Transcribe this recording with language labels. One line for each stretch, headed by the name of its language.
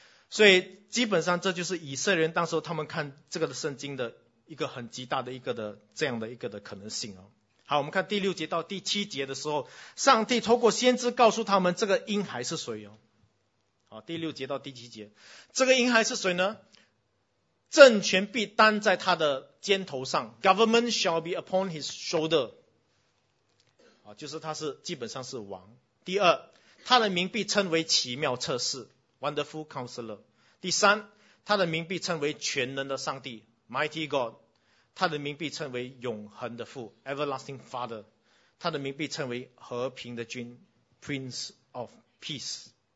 Chinese: 所以基本上这就是以色列人当时他们看这个的圣经的一个很极大的一个的这样的一个的可能性。好，我们看第六节到第七节的时候，上帝透过先知告诉他们这个婴孩是谁哦。好，第六节到第七节，这个婴孩是谁呢？政权必担在他的肩头上 ，
English: Government shall be upon his shoulder。
Chinese: 就是他是基本上是王。第二，他的名必称为奇妙测试 ，Wonderful Counselor。第三，他的名被称为全能的上帝 Mighty God， 他的名被称为永恒的父 Everlasting Father， 他的名被称为和平的君 Prince of Peace。